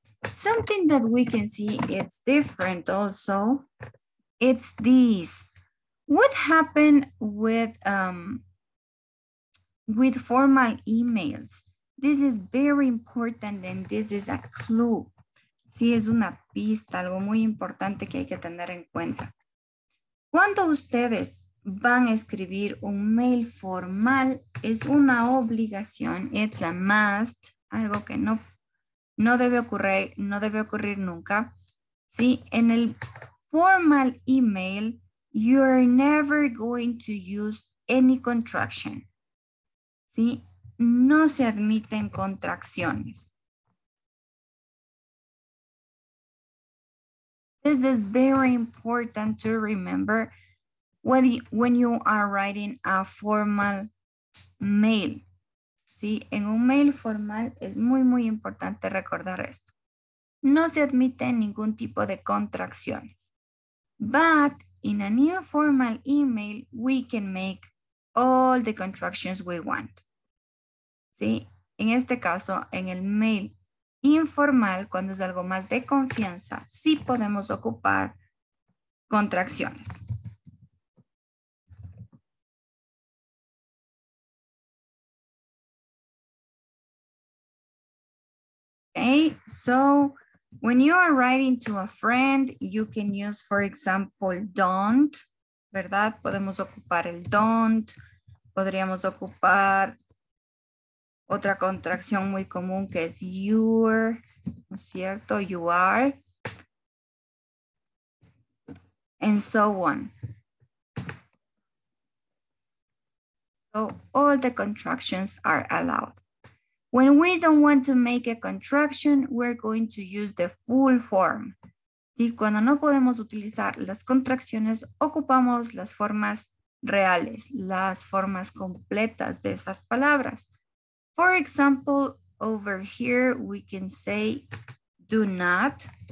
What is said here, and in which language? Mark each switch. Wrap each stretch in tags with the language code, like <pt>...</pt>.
<en>Something that we can see it's different also, it's this. What happened with formal emails? This is very important and this is a clue.</en> <es>Sí, es una pista, algo muy importante que hay que tener en cuenta. Cuando ustedes van a escribir un mail formal, es una obligación,</es> <en>it's a must,</en> <es>algo que no debe ocurrir nunca. Sí, en el</es> <en>formal email, you're never going to use any contraction.</en> <es>Sí, no se admiten contracciones.</es> <en>This is very important to remember when you are writing a formal mail.</en> <es>¿Sí? En un mail formal es muy, muy importante recordar esto. No se admite ningún tipo de contracciones.</es> <en>But in a new formal email, we can make all the contractions we want.</en> <es>¿Sí? En este caso, en el mail informal, cuando es algo más de confianza, sí podemos ocupar contracciones.</es> <en>Okay, so when you are writing to a friend, you can use, for example, don't,</en> <es>¿verdad? Podemos ocupar el don't, podríamos ocupar otra contracción muy común que es you're, ¿no es cierto?</es> <en>You are. And so on. So all the contractions are allowed. When we don't want to make a contraction, we're going to use the full form.</en> <es>Y cuando no podemos utilizar las contracciones, ocupamos las formas reales, las formas completas de esas palabras.</es> <en>For example, over here we can say do not.</en>